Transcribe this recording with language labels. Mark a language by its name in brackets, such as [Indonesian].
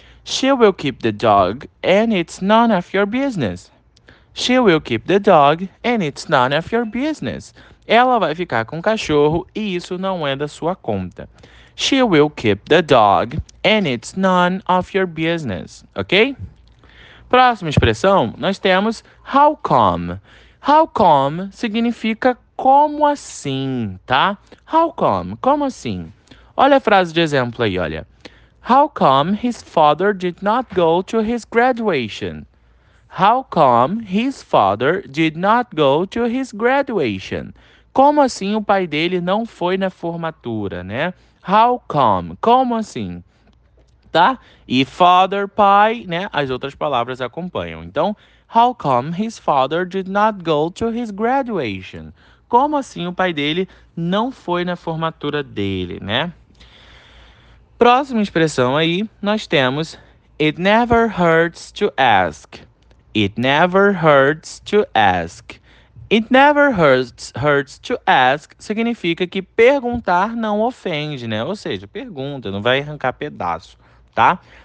[English] She will keep the dog and it's none of your business. She will keep the dog and it's none of your business. [Portuguese] Ela vai ficar com o cachorro e isso não é da sua conta. [English] She will keep the dog and it's none of your business. [Portuguese] Ok? Próxima expressão, nós temos [English] how come. How come [Portuguese] significa como assim, tá? How come? Como assim? Olha a frase de exemplo aí, olha. [English] How come his father did not go to his graduation? How come his father did not go to his graduation? [Portuguese] Como assim o pai dele não foi na formatura, né? [English] How come? [Portuguese] Como assim? Tá? E father, pai, né? As outras palavras acompanham. [English] Então, how come his father did not go to his graduation? [Portuguese] Como assim o pai dele não foi na formatura dele, né? Próxima expressão aí, nós temos [English] it never hurts to ask. It never hurts to ask. [Portuguese] It never hurts to ask significa que perguntar não ofende, né? Ou seja, pergunta, não vai arrancar pedaço, tá?